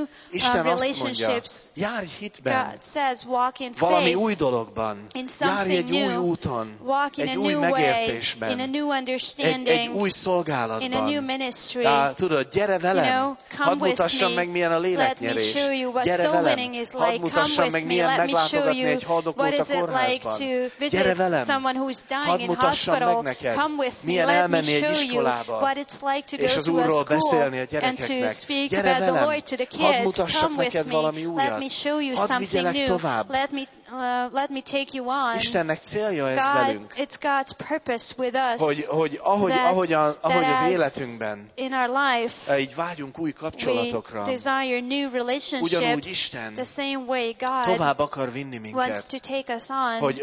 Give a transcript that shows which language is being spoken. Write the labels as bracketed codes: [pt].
[hu] Isten azt mondja, járj hitben, valami új dologban, járj egy új úton, egy új megértésben, egy új szolgálatban. Tudod, gyere velem, hadd mutassam meg, milyen a léleknyerés. Gyere velem, hadd mutassam meg, milyen meglátogatás. Egy [en] what is it like to visit someone who is dying in hospital? Come with me, let me show you what it's like to go to a school and to speak about the Lord to the kids. Come with me, let me show you something new. Let me take you on. [hu] Istennek célja ez velünk. [en] It's God's purpose with us. [hu] Ahogy az életünkben. [en] In our life. [hu] Így vágyunk új kapcsolatokra. [en] We desire new relationships. [hu] Ugyanúgy Isten. [en] The same way God. [hu] Tovább akar vinni minket. [en] Wants to take us on.